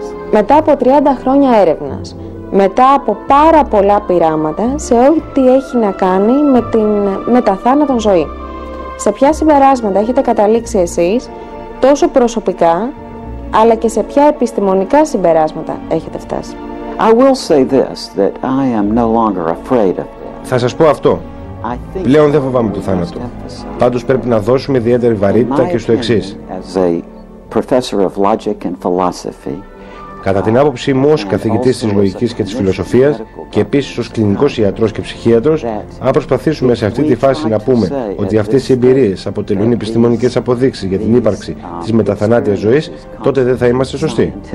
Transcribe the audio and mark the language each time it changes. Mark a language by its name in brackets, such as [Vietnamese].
[Greek] Μετά από 30 χρόνια έρευνας, μετά από πάρα πολλά πειράματα σε ό,τι έχει να κάνει με την μεταθάνατον ζωή. Σε ποια συμπεράσματα έχετε καταλήξει εσείς, τόσο προσωπικά, αλλά και σε ποια επιστημονικά συμπεράσματα έχετε φτάσει? [English] I will say this, that I am no longer afraid of death. [Greek] Θα σας πω αυτό. Πλέον δεν φοβάμαι το θάνατο. Πάντως πρέπει να δώσουμε ιδιαίτερη βαρύτητα και στο εξής. [English] As a professor of logic and philosophy, [Greek] κατά την άποψή μου, ως καθηγητής της λογικής και της φιλοσοφίας και επίσης ως κλινικός ιατρός και ψυχίατρος, αν προσπαθήσουμε σε αυτή τη φάση να πούμε ότι αυτές οι εμπειρίες αποτελούν επιστημονικές αποδείξεις για την ύπαρξη της μεταθανάτιας ζωής, τότε δεν θα είμαστε σωστοί.